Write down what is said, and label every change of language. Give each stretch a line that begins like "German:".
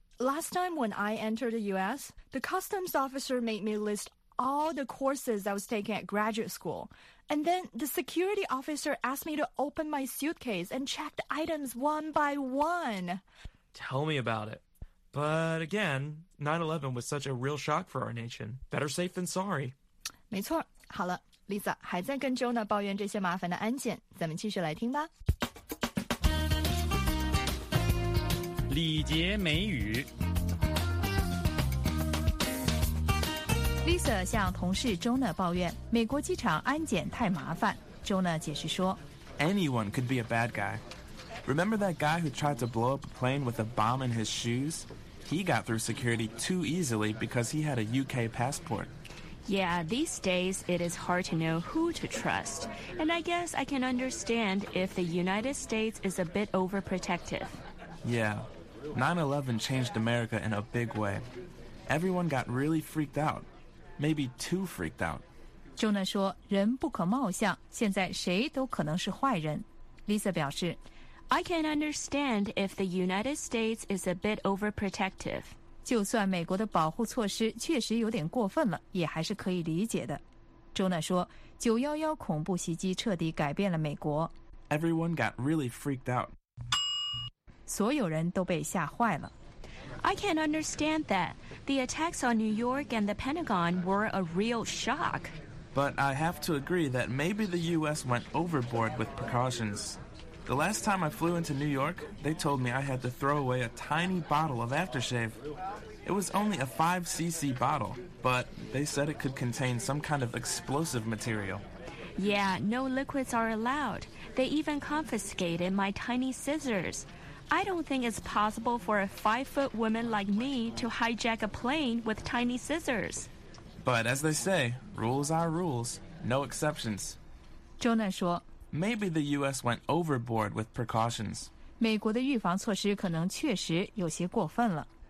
English: Last time when I entered the U.S., the customs officer made me list all the courses I was taking at graduate school. And then the security officer asked me to open my suitcase and check the items one by one. Tell me about it. But again, 9/11 was such a real shock for our nation. Better safe than sorry.
Chinese: 没错。好了， Lisa 还在跟 Jonah 抱怨这些麻烦的安检，咱们继续来听吧。礼节美语。 Lisa 向同事 Jonah 抱怨美国机场安检太麻烦。 Jonah 解释说
English: ，Anyone could be a bad guy. Remember that guy who tried to blow up a plane with a bomb in his shoes? He got through security too easily because he had a UK passport. Yeah, these days it is hard to know who to trust. And I guess I can understand if the United States is a bit overprotective. Yeah, 9/11 changed America in a big way. Everyone got really freaked out. Maybe too freaked out.
Chinese: Jonah 说，人不可貌相，现在谁都可能是坏人。 Lisa 表示
English: I can understand if the United States is a bit overprotective.
Chinese: 就算美国的保护措施确实有点过分了，也还是可以理解的。 Jonah 说 ,911 恐怖袭击彻底改变了美国。
English: Everyone got really freaked out.
Chinese: 所有人都被吓坏了。
English: I can understand that. The attacks on New York and the Pentagon were a real shock. But I have to agree that maybe the U.S. went overboard with precautions. The last time I flew into New York, they told me I had to throw away a tiny bottle of aftershave. It was only a 5cc bottle, but they said it could contain some kind of explosive material. Yeah, no liquids are allowed. They even confiscated my tiny scissors. I don't think it's possible for a 5-foot woman like me to hijack a plane with tiny scissors. But as they say, rules are rules. No exceptions.
Chinese: Jonah 说
English: Maybe the U.S. went overboard with precautions.
Chinese: 美国的预防措施可能确实有些过分了。